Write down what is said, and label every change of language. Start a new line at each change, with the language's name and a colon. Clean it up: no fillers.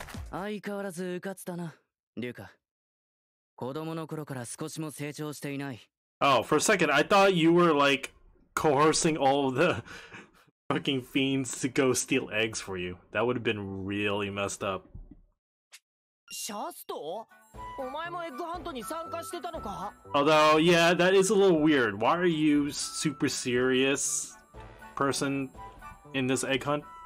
Japanese: 相変わらず迂闊だな、リュカ。子供の頃から少しも成長していない。
English: Oh, for a second, I thought you were like coercing all of the fucking fiends to go steal eggs for you. That would have been really messed up.
Japanese: シャスト? お前もエッグハントに参加してたのか?
English: Although, yeah, that is a little weird. Why are you super serious person in this egg hunt?